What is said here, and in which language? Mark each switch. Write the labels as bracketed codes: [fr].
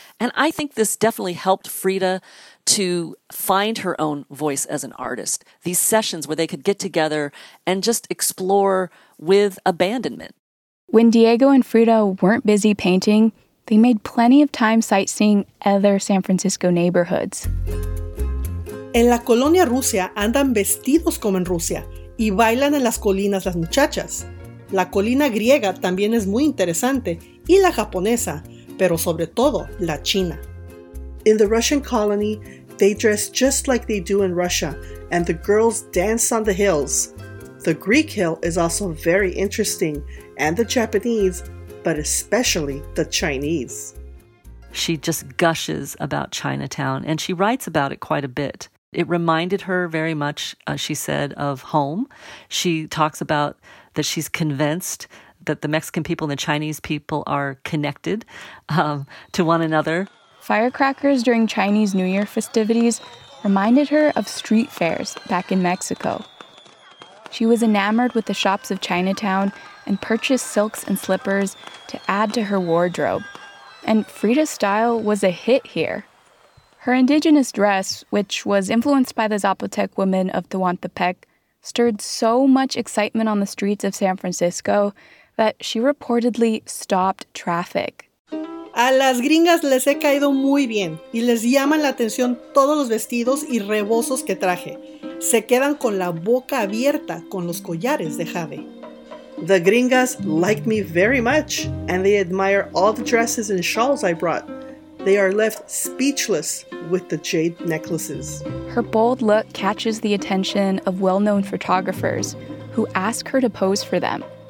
[en] And I think this definitely helped Frida to find her own voice as an artist. These sessions where they could get together and just explore with abandonment. When Diego and Frida weren't busy painting, they made plenty of time sightseeing other San Francisco neighborhoods. [es] En la colonia Rusia andan vestidos como en Rusia y bailan en las colinas las muchachas. La colina griega también es muy interesante y la japonesa, pero sobre todo la china. [en] In the Russian colony, they dress just like they do in Russia, and the girls dance on the hills. The Greek hill is also very interesting, and the Japanese, but especially the Chinese. She just gushes about Chinatown, and she writes about it quite a bit. It reminded her very much, she said, of home. She talks about that she's convinced that the Mexican people and the Chinese people are connected to one another. Firecrackers during Chinese New Year festivities reminded her of street fairs back in Mexico. She was enamored with the shops of Chinatown and purchased silks and slippers to add to her wardrobe. And Frida's style was a hit here. Her indigenous dress, which was influenced by the Zapotec women of Tehuantepec, stirred so much excitement on the streets of San Francisco that she reportedly stopped traffic. [es] A las gringas les he caído muy bien y les llaman la atención todos los vestidos y rebozos que traje. Se quedan con la boca abierta con los collares de jade. [en] The gringas liked me very much and they admire all the dresses and shawls I brought. They are left speechless with the jade necklaces. Her bold look catches the attention of well-known photographers who ask her to pose for them.